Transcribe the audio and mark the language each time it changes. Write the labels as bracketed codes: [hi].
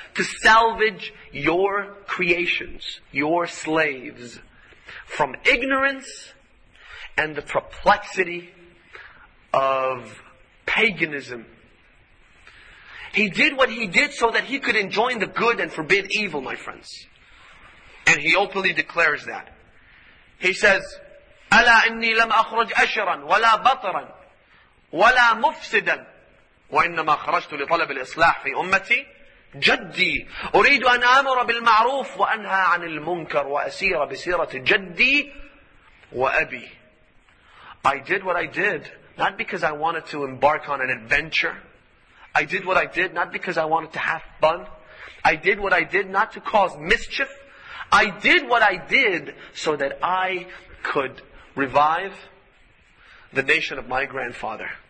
[en] To salvage your creations, your slaves, from ignorance and the perplexity of paganism. He did what he did so that he could enjoin the good and forbid evil, my friends. And he openly declares that. He says, [ar] ألا إني لم أخرج أشرا ولا بطرا ولا مفسدا وإنما خرجت لطلب الإصلاح في أمتي جدي أريد أن آمر بالمعروف وأنهى عن المنكر وأسير بسيرة جدي وأبي. [en] I did what I did not because I wanted to embark on an adventure. I did what I did not because I wanted to have fun. I did what I did not to cause mischief. I did what I did so that I could revive the nation of my grandfather.